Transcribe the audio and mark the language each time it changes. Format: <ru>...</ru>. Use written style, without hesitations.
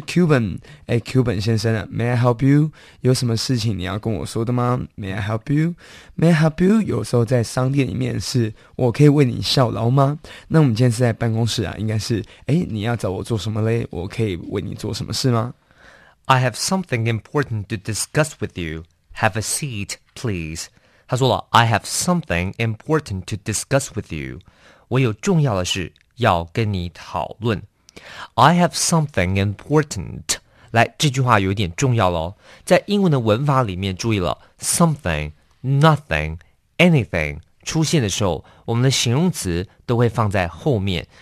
<en>Cuban, 哎 ，Cuban 先生 ，May I help you?</en> <zh>有什么事情你要跟我说的吗</zh> <en>？May I help you? May I help you?</en> <zh>有时候在商店里面是，我可以为你效劳吗？那我们今天是在办公室啊，应该是，哎，你要找我做什么嘞？我可以为你做什么事吗？</zh> <en>I have something important to discuss with you. Have a seat, please.</en> <zh>他说了</zh> <en>I have something important to discuss with you.</en> <zh>我有重要的事要跟你讨论。</zh> <en>I have something important.</en> <zh>来，这句话有点重要了哦。在英文的文法里面注意了 something, nothing, anything 出现的时候，我们的形容词都会放在后面。</zh>